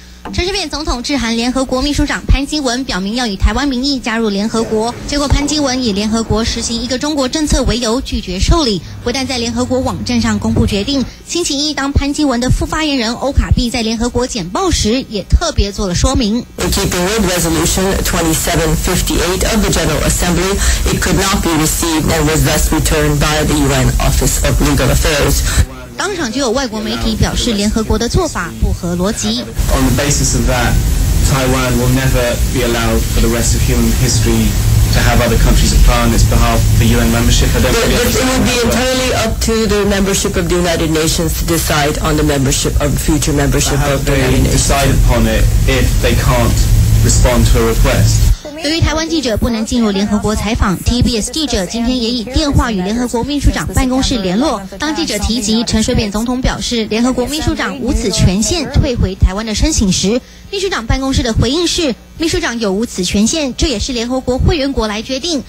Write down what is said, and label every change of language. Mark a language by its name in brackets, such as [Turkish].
[Chinese] 陈水扁总统致函联合国秘书长潘基文，表明要以台湾名义加入联合国，结果潘基文以联合国实行一个中国政策为由拒绝受理，不但在联合国网站上公布决定，星期一当潘基文的副发言人欧卡碧在联合国简报时也特别做了说明。 [English] In keeping with resolution 2758 of the General Assembly, it could not be received and was thus returned by the UN Office of Legal Affairs. [Chinese] 当场就有外国媒体表示联合国的做法不合逻辑。 [English] On the basis of that, Taiwan will never be allowed for the rest of human history to have other countries apply on its behalf for UN membership. It will be entirely up to the membership of the United Nations to decide on the membership of future membership of the United Nations. They decide upon it if they can't respond to a request. [Chinese] 由于台湾记者不能进入联合国采访 ，TBS 记者今天也以电话与联合国秘书长办公室联络。当记者提及陈水扁总统表示联合国秘书长无此权限退回台湾的申请时，秘书长办公室的回应是：秘书长有无此权限，这也是联合国会员国来决定。